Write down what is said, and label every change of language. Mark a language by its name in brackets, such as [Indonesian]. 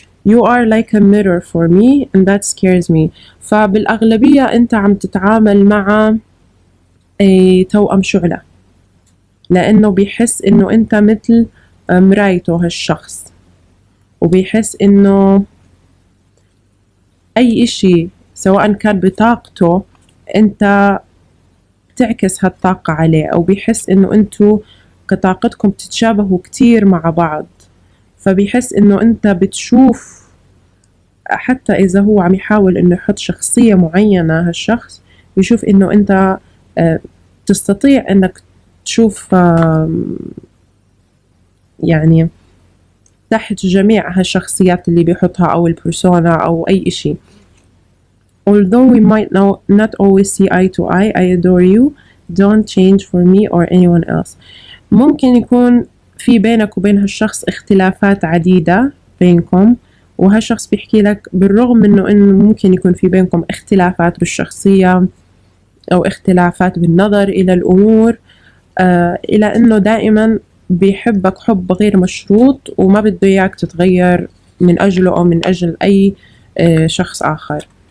[English] You are like a mirror for me and that scares me. [Arabic] فبالأغلبية أنت عم تتعامل مع توأم شعله، لأنه بيحس إنه أنت مثل مرايته هالشخص، وبيحس إنه أي إشي سواء كان بطاقته أنت بتعكس هالطاقة عليه، أو بيحس إنه أنتو كطاقتكم بتتشابهوا كتير مع بعض، فبيحس إنه أنت بتشوف، حتى إذا هو عم يحاول إنه يحط شخصية معينة هالشخص، بيشوف إنه أنت تستطيع إنك تشوف يعني تحت جميع هالشخصيات اللي بيحطها أو البرسونا أو أي إشي. [English] Although we might not always see eye to eye, I adore you. Don't change for me or anyone else. [Arabic] ممكن يكون في بينك وبين هالشخص اختلافات عديدة بينكم، وهالشخص بيحكي لك بالرغم من إنه ممكن يكون في بينكم اختلافات بالشخصية أو اختلافات بالنظر إلى الأمور، إلى إنه دائما بيحبك حب غير مشروط، وما بده إياك تتغير من أجله أو من أجل أي شخص آخر.